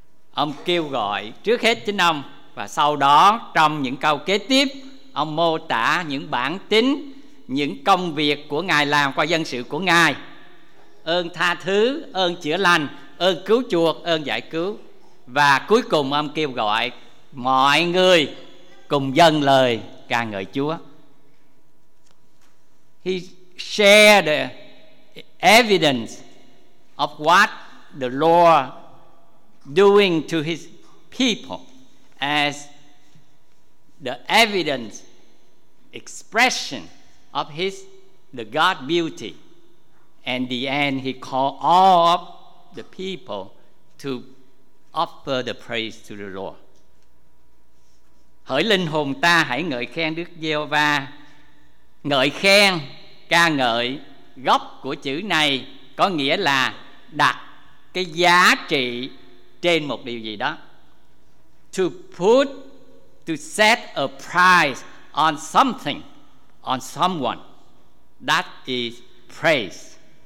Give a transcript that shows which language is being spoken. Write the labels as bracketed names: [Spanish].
[Vietnamese] Ông kêu gọi trước hết chính ông, và sau đó trong những câu kế tiếp, ông mô tả những bản tính, những công việc của Ngài làm qua dân sự của Ngài: ơn tha thứ, ơn chữa lành, ơn cứu chuộc, ơn giải cứu. Và cuối cùng ông kêu gọi mọi người cùng dâng lời ca ngợi Chúa. [English] He shared the evidence of what the Lord doing to his people as the evidence expression of his the God beauty. And the end, he called all of the people to offer the praise to the Lord. [Vietnamese] Hỡi linh hồn ta, hãy ngợi khen Đức Giê-hô-va. Ngợi khen, ca ngợi, gốc của chữ này có nghĩa là đặt cái giá trị trên một điều gì đó. [English] To put, to set a price on something, on someone, that is praise.